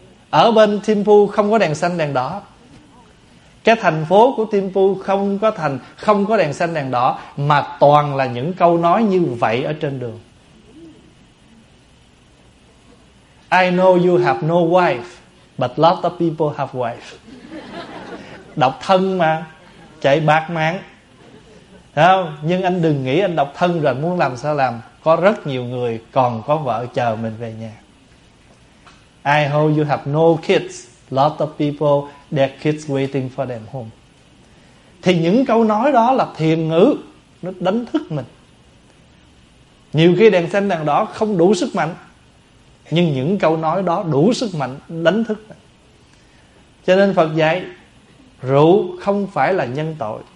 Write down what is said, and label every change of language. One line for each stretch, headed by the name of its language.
Vietnamese: Ở bên Thimphu không có đèn xanh đèn đỏ. Cái thành phố của Thimphu không có đèn xanh đèn đỏ, mà toàn là những câu nói như vậy ở trên đường.
English: I know you have no wife, but lots of people have wife.
Vietnamese: Độc thân mà chạy bạc mạng. Không? Nhưng anh đừng nghĩ anh độc thân rồi muốn làm sao làm. Có rất nhiều người còn có vợ chờ mình về nhà.
English: I hope you have no kids. Lots of people, their kids waiting for them home.
Vietnamese: Thì những câu nói đó là thiền ngữ. Nó đánh thức mình. Nhiều khi đèn xanh đèn đỏ không đủ sức mạnh, nhưng những câu nói đó đủ sức mạnh đánh thức mình. Cho nên Phật dạy rượu không phải là nhân tội.